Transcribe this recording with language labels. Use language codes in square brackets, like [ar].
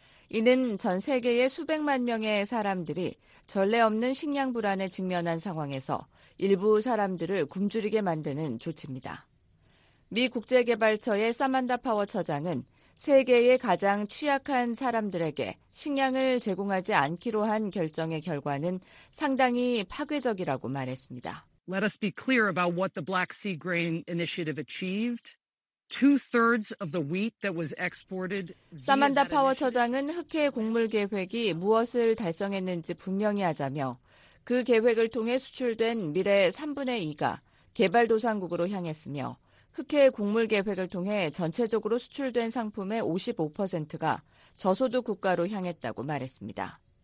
[ko] 이는 전 세계의 수백만 명의 사람들이 전례 없는 식량 불안에 직면한 상황에서 일부 사람들을 굶주리게 만드는 조치입니다. 미 국제개발처의 사만다 파워 처장은 세계의 가장 취약한 사람들에게 식량을 제공하지 않기로 한 결정의 결과는 상당히 파괴적이라고 말했습니다. [en] Let us be clear about what the Black Sea Grain Initiative achieved. Two-thirds of the wheat that was exported. [ko] 사만다 파워 처장은 흑해 곡물 계획이 무엇을 달성했는지 분명히 하자며 그 계획을 통해 수출된 밀의 3분의 2가 개발도상국으로 향했으며 흑해 곡물 계획을 통해 전체적으로 수출된 상품의 55%가 저소득 국가로 향했다고 말했습니다.